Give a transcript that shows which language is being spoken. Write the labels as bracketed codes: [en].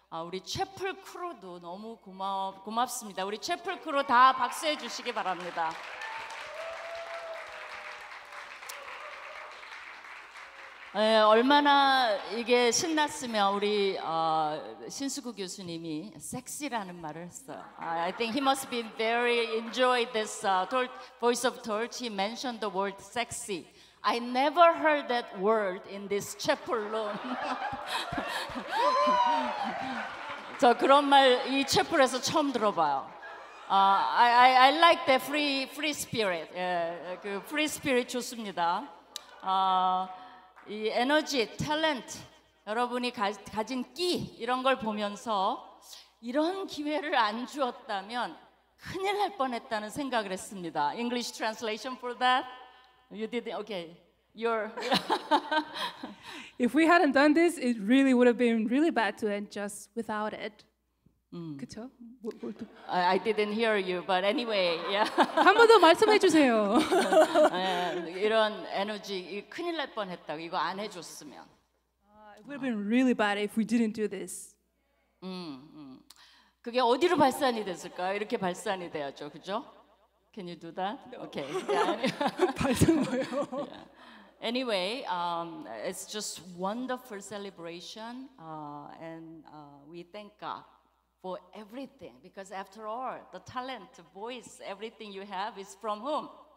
[ko] 우리 채플 크루도 너무 고맙습니다. 우리 채플 크루 다 박수해 주시기 바랍니다. 네, 얼마나 이게 신났으면 우리 신수구 교수님이 섹시라는 말을 했어요. [en] I think he must be very enjoyed this voice of torch. He mentioned the word sexy. I never heard that word in this chapel room. [ko] 저 그런 말 이 채플에서 처음 들어봐요. [en] I like the free spirit. [ko] 예, 그 [en] free spirit [ko] 좋습니다. 이 에너지, 탤런트, 여러분이 가진 끼 이런 걸 보면서 이런 기회를 안 주었다면 큰일 날 뻔했다는 생각을 했습니다. [en] English translation for that? You did it. Okay. You're If we hadn't done this, it really would have been really bad to end just without it. [ko] 그렇죠? [en] I didn't hear you, but anyway, yeah. [ko] 한 번 더 말씀해 주세요. 이런 에너지, 큰일 날 뻔했다. 이거 안 해줬으면. [en] It would have been really bad if we didn't do this. [ko] 그게 어디로 발산이 됐을까요? 이렇게 발산이 돼야죠, 그죠? [en] Can you do that? No. Okay. [ko] 발산 뭐예요? [en] Anyway, it's just wonderful celebration, and we thank God for everything. Because after all, the talent, voice, everything you have is from whom?